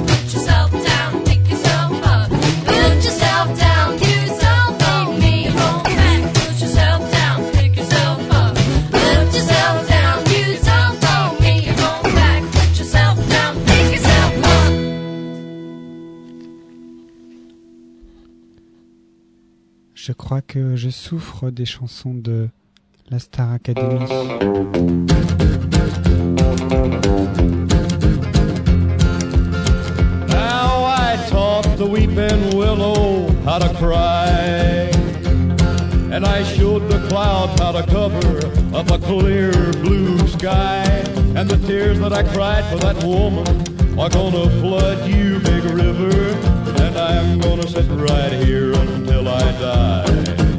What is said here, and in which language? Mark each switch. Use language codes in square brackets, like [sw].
[en] Put yourself down, pick yourself up. Put yourself down, use your soul, beat me on the back. Put yourself down, pick yourself up. Put yourself down, use your soul, beat me on the back. Put yourself down, pick yourself up. [fr] Je crois que je souffre des chansons de la Star Academy. [en] Now I taught the weeping willow how to cry, and I showed the clouds how to cover up a clear blue sky. And the tears that I cried for that woman are gonna flood you, big river, and I'm gonna sit right here until I die.